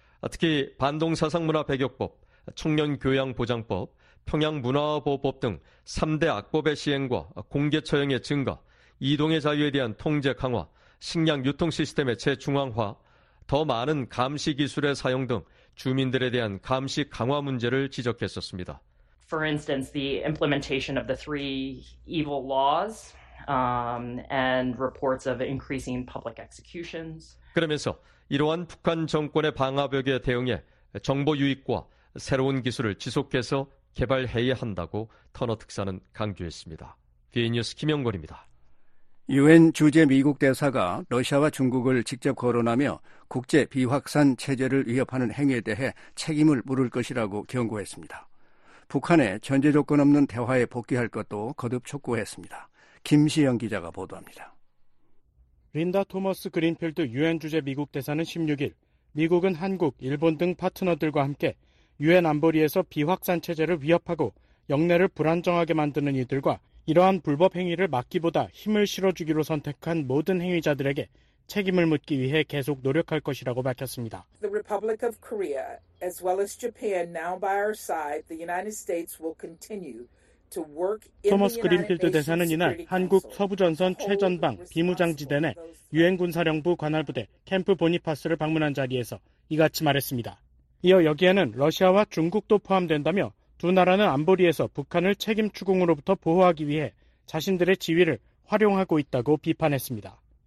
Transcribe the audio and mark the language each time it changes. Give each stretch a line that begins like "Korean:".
Korean: 특히 반동사상문화배격법, 청년교양보장법, 평양문화보호법 등 3대 악법의 시행과 공개 처형의 증가, 이동의 자유에 대한 통제 강화, 식량 유통 시스템의 재중앙화, 더 많은 감시 기술의 사용 등 주민들에 대한 감시 강화 문제를 지적했었습니다.
English: For instance, the implementation of the three evil laws and reports of increasing public executions.
Korean: 그러면서 이러한 북한 정권의 방화벽에 대응해 정보 유입과 새로운 기술을 지속해서 개발해야 한다고 터너 특사는 강조했습니다. VN 뉴스 김영걸입니다. UN 주재 미국 대사가 러시아와 중국을 직접 거론하며 국제 비확산 체제를 위협하는 행위에 대해 책임을 물을 것이라고 경고했습니다. 북한의 전제 조건 없는 대화에 복귀할 것도 거듭 촉구했습니다. 김시영 기자가 보도합니다. 린다 토머스 그린필드 유엔 주재 미국 대사는 16일 미국은 한국, 일본 등 파트너들과 함께 유엔 안보리에서 비확산 체제를 위협하고 영내를 불안정하게 만드는 이들과 이러한 불법 행위를 막기보다 힘을 실어주기로 선택한 모든 행위자들에게 책임을 묻기 위해 계속 노력할 것이라고 밝혔습니다.
English: The Republic of Korea, as well as Japan, now by our side, the United States will continue to work in the
Korean: 토머스 그린필드 대사는 이날 한국 서부전선 최전방 비무장지대 내 유엔 군사령부 관할부대 캠프 보니파스를 방문한 자리에서 이같이 말했습니다. 이어 여기에는 러시아와 중국도 포함된다며 두 나라는 안보리에서 북한을 책임 추궁으로부터 보호하기 위해 자신들의 지위를 활용하고 있다고 비판했습니다.